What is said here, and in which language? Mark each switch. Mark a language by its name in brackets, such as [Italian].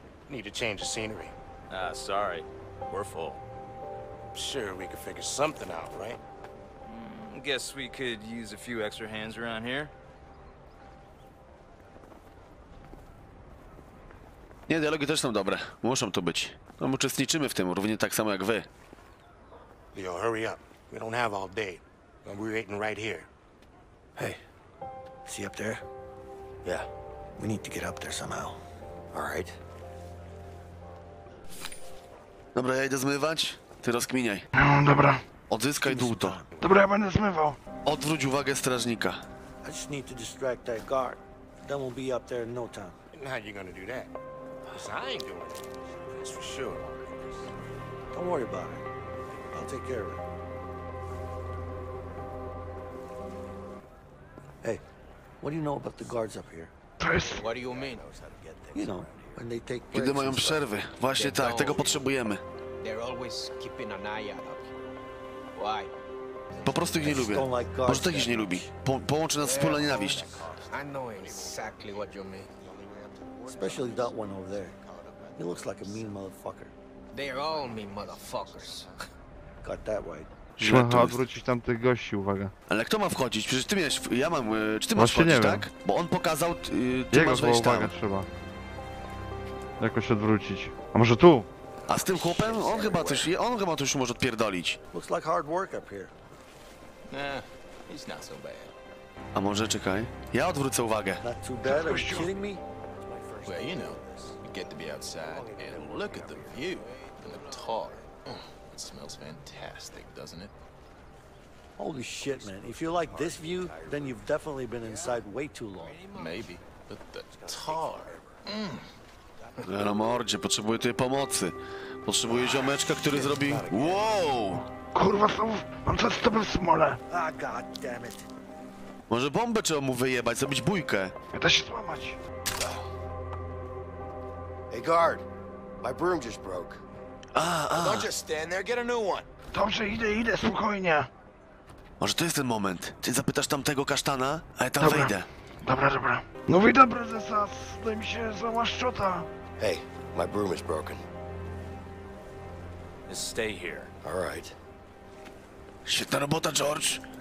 [English] Need to change the scenery. Ah, sorry. We're full. Sure, we could figure something out, right? Guess we could use a few extra hands around here. [Polish] Nie, dialogi też są dobre. Muszą tu być. No, my uczestniczymy w tym, równie tak samo jak wy. [English] Leo, hurry up. We don't have all day. We're waiting right here. Hey, see up there? Yeah. We need to get up there somehow. All right. [Polish] Dobra, ja idę zmywać. Ty rozkminiaj. No, dobra. Odzyskaj dłuto. Dobra, ja będę zmywał. Odwróć uwagę strażnika. [English] I just need to distract that guard. Then we'll be up there in no time. And how are you gonna do that? Don't worry about it. I'll take care of it. Hey, what do you know about the guards up here? What do you mean? You know, when they take [Polish] kiedy mają przerwy. Właśnie tak, tego potrzebujemy. [English] They're always keeping an eye out up here. Why? [Polish] Po prostu ich nie lubię. Może tak ich nie lubi. Połączy nas wspólna nienawiść. [English] I know exactly what you mean. Especially that one over there. He looks like a mean motherfucker. They're all mean motherfuckers. Got that right. [Polish] Trzeba odwrócić tamtych gości, uwaga. Ale kto ma wchodzić? Przecież ty miałeś... Ja mam... Czy ty masz wchodzić, nie tak? Wiem. Bo on pokazał... ty jego masz wejść tam. Uwaga, trzeba. Jakoś odwrócić. A może tu? A z tym chłopem? On chyba coś... On chyba coś może odpierdolić. [English] Looks like hard work up here. Nah, he's not so bad. [Polish] A może czekaj? Ja odwrócę uwagę. [English] Not too bad, are you kidding me? Well, you know, you get to be outside and look at the view and the tar. Oh, it smells fantastic, doesn't it? Holy shit, man. If you like this view, then you've definitely been inside way too long. Maybe, but the tar. [Polish] Na mordzie, potrzebuję tej pomocy. Potrzebuję ziomeczka, który zrobi. Wow! Kurwa, znowu mam coś z tobą w smole. [English] Ah, goddammit. [Polish] Może bombę trzeba mu wyjebać, zrobić bójkę. Ja też się złamać. [English] Hey guard, my broom just broke. Don't just stand there, get a new one. [Polish] Dobrze, idę, spokojnie. Może to jest ten moment. Ty zapytasz tamtego kasztana, a ja tam wejdę. Dobra. No wyjdę, prezesa, zdaj mi się złama szczota. [English] Hey, my broom is broken. Just stay here. All right. [Polish] Świetna robota, George.